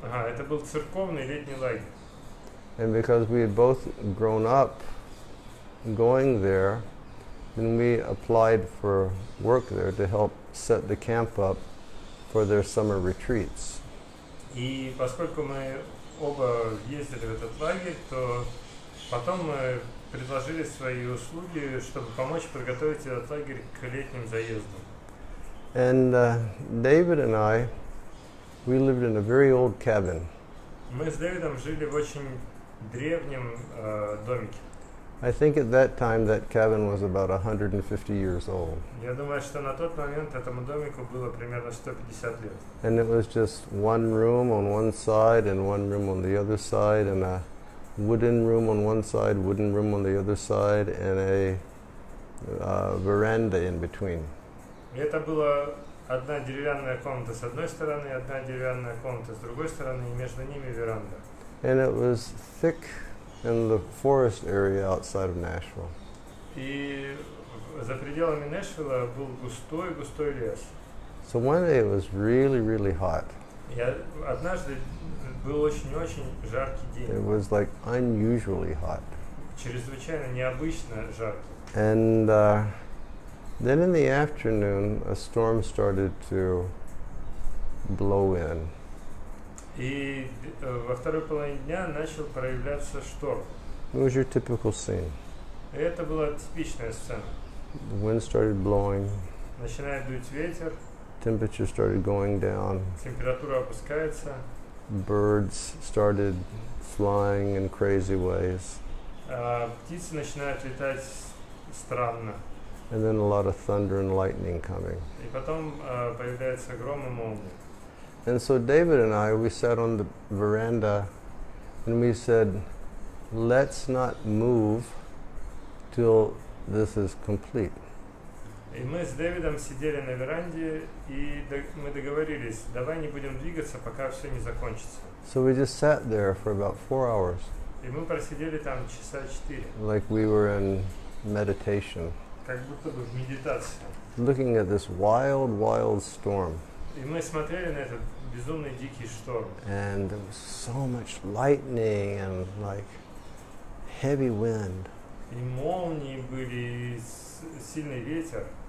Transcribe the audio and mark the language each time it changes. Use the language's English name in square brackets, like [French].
[Russian] Ага, это был церковный летний лагерь. [English] And because we had both grown up going there, then we applied for work there to help set the camp up for their summer retreats. [Russian] И поскольку мы оба ездили в этот лагерь, то потом мы предложили свои услуги, чтобы помочь подготовить этот лагерь к летним заездам. [English] And David and I, we lived in a very old cabin. [Russian] Мы с Дэвидом жили в очень древнем домике. [English] I think at that time that cabin was about 150 years old. [Russian] Я думаю, что на тот момент этому домику было примерно 150 лет. [English] And it was just one room on one side and one room on the other side, and a wooden room on one side, wooden room on the other side, and a veranda in between. [Russian] Это была одна деревянная комната с одной стороны, одна деревянная комната с другой стороны, и между ними веранда. [English] And it was thick in the forest area outside of Nashville. [Russian] И за пределами Нэшвилла был густой лес. [English] So one day it was really, really hot. [Russian] И однажды был очень жаркий день. [English] It was like unusually hot. [Russian] Чрезвычайно необычно жарко. [English] And then in the afternoon a storm started to blow in. [Russian] И во второй половине дня начал проявляться шторм. [English] It was your typical scene. [Russian] И это была типичная сцена. [English] The wind started blowing. [Russian] Начинает дуть ветер. [English] Temperature started going down. [Russian] Температура опускается. [English] Birds started flying in crazy ways. [Russian] Птицы начинают летать странно. [English] And then a lot of thunder and lightning coming. [Russian] И потом появляется гром и молния. [English] And so David and I, we sat on the veranda and we said, let's not move till this is complete. [Russian] И мы с Дэвидом сидели на веранде и мы договорились, давай не будем двигаться, пока все не закончится. [English] So we just sat there for about 4 hours. [Russian] И мы просидели там часа 4. [English] Like we were in meditation. [Russian] Как будто бы в медитации. [English] Looking at this wild, wild storm. [Russian] И мы смотрели на этот безумный дикий шторм. [English] And there was so much lightning and like heavy wind. [Russian] И молнии были, сильный ветер.